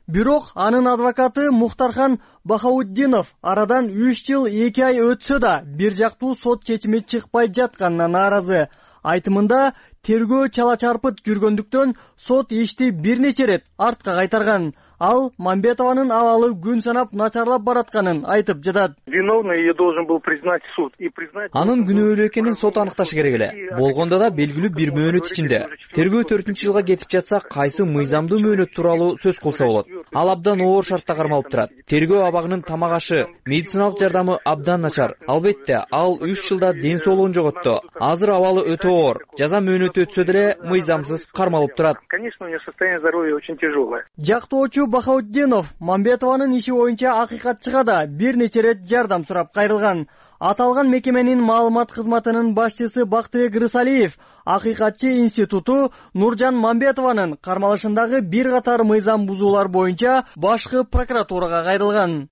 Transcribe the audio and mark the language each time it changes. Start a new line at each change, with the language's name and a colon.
Kyrgyz: Бирок анын адвокаты Мухтархан Бахауддинов арадан 3 жыл 2 ай өтсө да бир жактуу сот чечими чыкпай жатканына нааразы. Айтымында тергөө чала чарпыт жүргөндүктөн сот ишти бир нече ирет артка кайтарган. Ал Мамбетованын абалы күн санап начарлап баратканын айтып жатат.
Russian: Виновный и должен был признать суд и признать.
Kyrgyz: Анын күнөөлүү экенин сот аныкташы керек эле. Болгондо да белгилүү бир мөөнөт ичинде. Тергөө 4-нчү жылга кетип жатса, кайсы мыйзамдуу мөөнөт тууралуу сөз кылса болот? Ал абдан оор шартта кармалып турат. Тергөө абагынын тамак ашы, медициналык жардамы абдан начар. Албетте, ал 3 жылда ден соолугун жоготту. Азыр абалы өтө оор. Жаза мөөнөтү өтсө деле мыйзамсыз кармалып турат.
Russian: Конечно, у него состояние здоровья очень тяжёлое.
Kyrgyz: Жактоочу Бахауддинов Мамбетованын иши боюнча акыйкатчыга да бир нече ирет жардам сурап кайрылган. Аталган мекеменин маалымат кызматынын башчысы Бактыбек Рысалиев акыйкатчы институту Нуржан Мамбетованын кармалышындагы бир катар мыйзам бузуулар боюнча башкы прокуратурага кайрылган.